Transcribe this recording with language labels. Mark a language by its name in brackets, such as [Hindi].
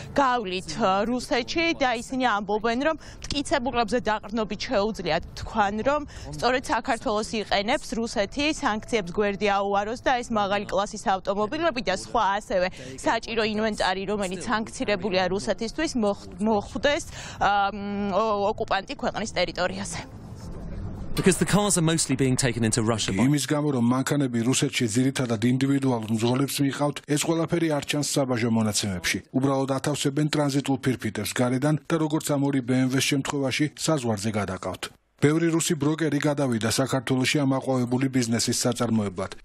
[Georgian] გავლით რუსეთში და ისინი ამბობენ, რომ მტკიცებულებზე დაყრდნობით შეუძლიათ თქვან, რომ სწორედ საქართველოს იყენებს რუსეთი სანქციებს გვერდი აუაროს და ეს მაღალი კლასის ავტომობილები და სხვა ასევე საჭირო ინვენტარი, რომელიც სანქცირებულია რუსეთისთვის, მოხვდეს ოკუპანტი ქვეყნის ტერიტორიაზე. [English] Because the cars are mostly being taken into Russia. [Georgian] იმის გამო, რომ მანქანები რუსეთში ძირითადად ინდივიდუალურ მძღოლებს მიიღავთ, ეს ყველაფერი არ ჩანს საბაჟო მონაცემებში. უბრალოდ ათავსებენ ტრანზიტულ ფირფიტებს გარედან და როგორც ამ ორი BMW-ს შემთხვევაში, საზღვარზე გადაყავთ. ბევრი რუსი ბროკერი გადავიდა საქართველოში ამაყვავებული ბიზნესის საწარმოებლად.